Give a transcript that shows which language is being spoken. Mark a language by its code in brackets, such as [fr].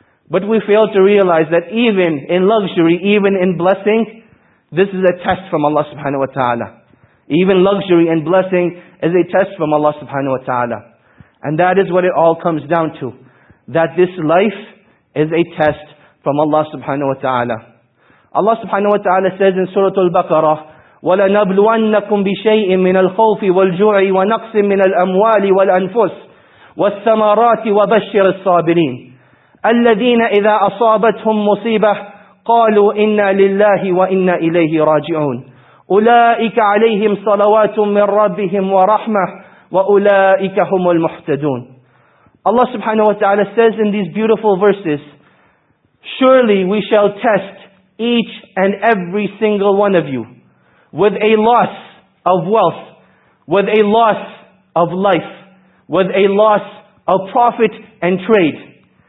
[en] But we fail to realize that even in luxury, even in blessing, this is a test from Allah subhanahu wa ta'ala. Even luxury and blessing is a test from Allah subhanahu wa ta'ala. And that is what it all comes down to. That this life is a test from Allah subhanahu wa ta'ala. Allah subhanahu wa ta'ala says in Surah Al-Baqarah, [ar] وَلَنَبْلُوَنَّكُمْ بِشَيْءٍ مِّنَ الْخَوْفِ وَالْجُوعِ وَنَقْسٍ مِّنَ الْأَمْوَالِ وَالْأَنْفُسِ وَالثَّمَرَاتِ وَبَشِّرِ الصَّابِرِينَ الَّذِينَ إِذَا أَصَابَتْهُمْ مُصِيبَةٌ قَالُوا إِنَّا لِلَّهِ وَإِنَّا إِلَيْهِ رَاجِعُونَ أُولَئِكَ عَلَيْهِمْ صَلَوَاتٌ مِّن رَّبِّهِمْ وَرَحْمَةٌ وَأُولَئِكَ هُمُ الْمُهْتَدُونَ. [en] Allah subhanahu wa ta'ala says in these beautiful verses, surely we shall test each and every single one of you with a loss of wealth, with a loss of life, with a loss of profit and trade.